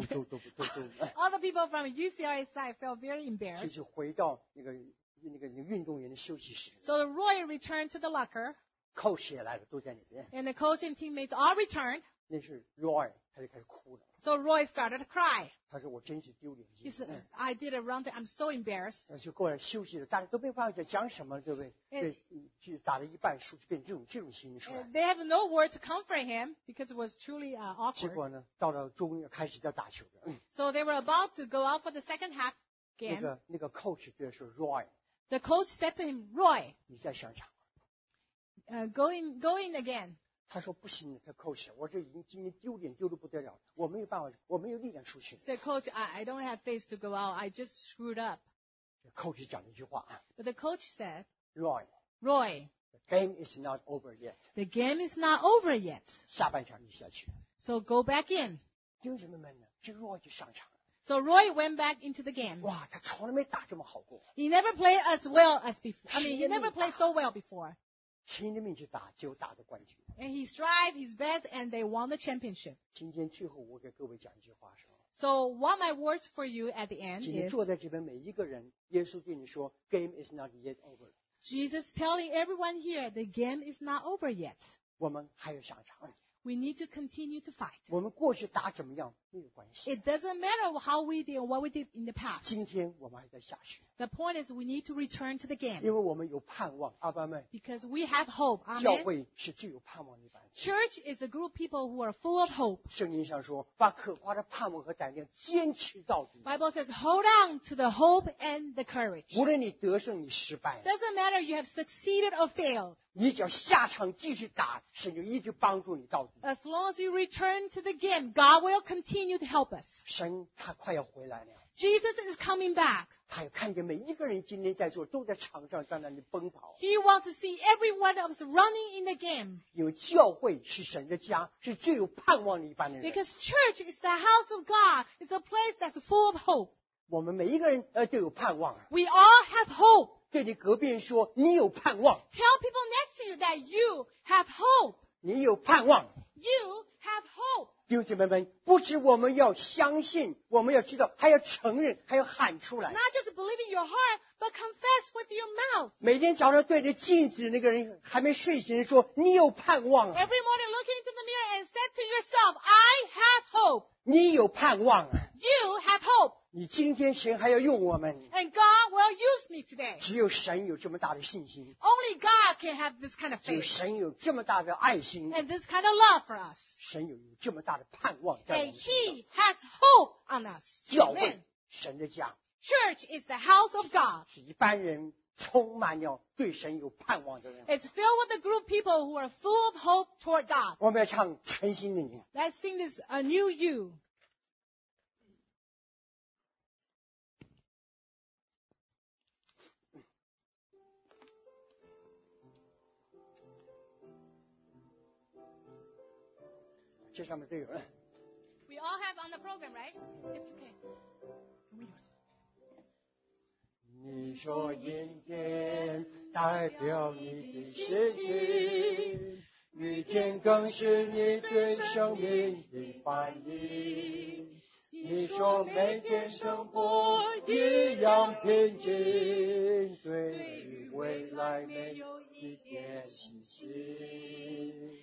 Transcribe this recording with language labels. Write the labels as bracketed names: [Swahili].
[English] All the people from UCLA side felt very embarrassed. [Chinese] 就回到那个运动员的休息室。 [English] So Roy returned to the locker. [Chinese] Coach 也来了，都在里面。 [English] And the coach and teammates all returned. [Chinese] 那是 Roy， 他就开始哭了。 [English] So Roy started to cry. [Chinese] 他说我真是丢脸。 [English] He said, I did a wrong thing. I'm so embarrassed. [Chinese] 就过来休息了，大家都没办法讲什么，对不对？ [English] And, [Chinese] 就打了一半输，就变这种心情出来。 [English] They have no words to comfort him because it was truly awkward. [Chinese] 结果呢，到了终于开始要打球了。 [English] So they were about to go out for the second half game. [Chinese] 那个 coach 就说 Roy. [English] The coach said to him, Roy. [Chinese] 你再想想。 [English] Going again. [Chinese] 他说不行，他 coach， 我这已经今天丢脸丢得不得了，我没有办法，我没有力量出去。 [English] Said coach, I don't have face to go out. I just screwed up. [Chinese] Coach 讲了一句话。 [English] But the coach said, Roy, the game is not over yet. The game is not over yet. [Chinese] 下半场你下去。 [English] So go back in. [Chinese] 弟兄姊妹们呢，这 Roy 就上场。 [English] So Roy went back into the game. [Chinese] 哇，他从来没打这么好过。 [English] He never played as well as before. I mean, he never played so well before. [Chinese] 拼了命去打，就打的冠军。 [English] And he strived his best, and they won the championship. [Chinese] 今天最后我给各位讲一句话说。 [English] So what my words for you at the end is. [Chinese] 今天坐在这边每一个人，耶稣对你说 ， [English] Game is not yet over. Jesus telling everyone here, the game is not over yet. [Chinese] 我们还有下场。 [English] We need to continue to fight. [Chinese] 我们过去打怎么样没有关系。 [English] It doesn't matter how we did or what we did in the past. [Chinese] 今天我们还在下去。 [English] The point is we need to return to the game. [Chinese] 因为我们有盼望，阿爸们。 [English] Because we have hope, amen. [Chinese] 教会是具有盼望的班。 [English] Church is a group of people who are full of hope. [Chinese] 圣经上说，把可夸的盼望和胆量坚持到底。 [English] Bible says, hold on to the hope and the courage. [Chinese] 无论你得胜，你失败。 [English] Doesn't matter you have succeeded or failed. [Chinese] 你只要下场继续打，神就一直帮助你到底。 [English] As long as you return to the game, God will continue to help us. [Chinese] 神他快要回来了。 [English] Jesus is coming back. [Chinese] 他要看见每一个人今天在座都在场上在那里奔跑。 [English] He wants to see every one of us running in the game. [Chinese] 因为教会是神的家，是最有盼望的一般的人。 [English] Because church is the house of God. It's a place that's full of hope. [Chinese] 我们每一个人都有盼望。 [English] We all have hope. [Chinese] 对你隔壁人说你有盼望。 [English] Tell people next to you that you have hope. [Chinese] 你有盼望。 [English] You have hope. [Chinese] 弟兄姐妹们，不止我们要相信，我们要知道，还要承认，还要喊出来。 [English] Not just believe in your heart, but confess with your mouth. [Chinese] 每天早上对着镜子那个人还没睡醒说你有盼望。 [English] Every morning looking into the mirror and said to yourself, I have hope. [Chinese] 你有盼望。 [English] You have hope. [Chinese] 你今天神还要用我们。 [English] And God will use me today. [Chinese] 只有神有这么大的信心。 [English] Only God can have this kind of faith. [Chinese] 只有神有这么大的爱心。 [English] And this kind of love for us. [Chinese] 神有这么大的盼望在我们身上。 [English] And He has hope on us. [Chinese] 教会，神的家。 [English] Church is the house of God. [Chinese] 是一般人充满了对神有盼望的人。 [English] It's filled with a group of people who are full of hope toward God. [Chinese] 我们要唱全新的你。 [English] Let's sing this a new you. [Chinese] 这上面都有人。 [English] We all have on the program, right? It's okay. [Chinese] 你说阴天代表你的心情，雨天更是你对生命的反应，你说每天生活一样平静，对于未来没有一点信心。